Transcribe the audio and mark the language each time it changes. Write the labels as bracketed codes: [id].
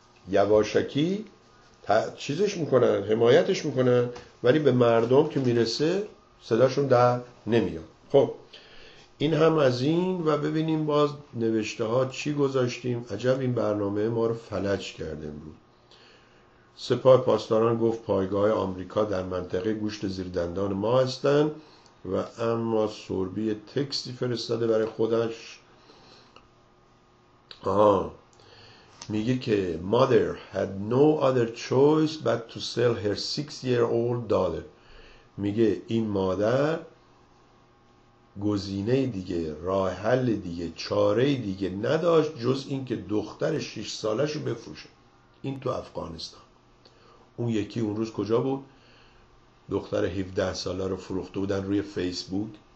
[fa] یواشکی چیزش میکنن، حمایتش میکنن، ولی به مردم که میرسه صداشون در نمیاد. خب این هم از این. و ببینیم باز نوشته ها چی گذاشتیم. عجب این برنامه ما رو فلج کرده امروز. سپاه پاسداران گفت پایگاه آمریکا در منطقه گوشت زیر دندان ما هستن. و اما سربی تکستی فرستاده برای خودش، میگه که [en] mother had no other choice but to sell her 6-year-old daughter. [fa] میگه این مادر گزینه دیگه، راه حل دیگه، چاره دیگه نداشت جز اینکه دختر 6 سالشو بفروشه. این تو افغانستان. اون یکی اون روز کجا بود؟ دختر 17 ساله رو فروخته بودن روی فیسبوک.